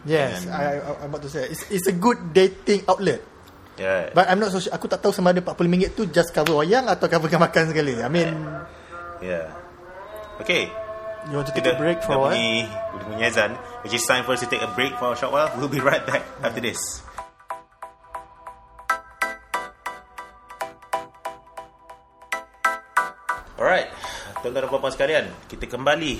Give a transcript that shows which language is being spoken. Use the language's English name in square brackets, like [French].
[English] Yes, I'm about to say it's a good dating outlet. Yeah. But I'm not so sure. [Malay] Aku tak tahu sama ada RM45 tu just cover wayang atau coverkan makan sekali. [English] I mean, yeah. Okay. You want to take a break for a while? With my azan, which is time for us to take a break for a short while. We'll be right back after this. [Malay] Alright, tuan-tuan dan puan-puan sekalian, kita kembali.